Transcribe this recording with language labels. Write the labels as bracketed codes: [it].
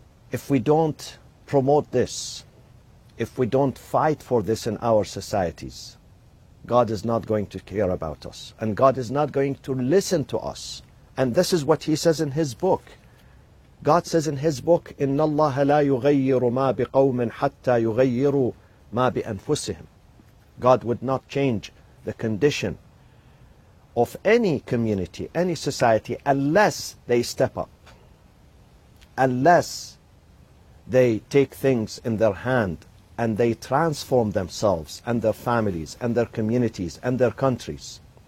[en] If we don't promote this, if we don't fight for this in our societies, God is not going to care about us, and God is not going to listen to us. And this is what he says in his book. God says in his book, [ar] إِنَّ اللَّهَ لَا يُغَيِّرُ مَا بِقَوْمٍ حَتَّى يُغَيِّرُوا مَا بِأَنفُسِهِمْ. [en] God would not change the condition of any community, any society, unless they step up, unless they take things in their hand and they transform themselves and their families and their communities and their countries.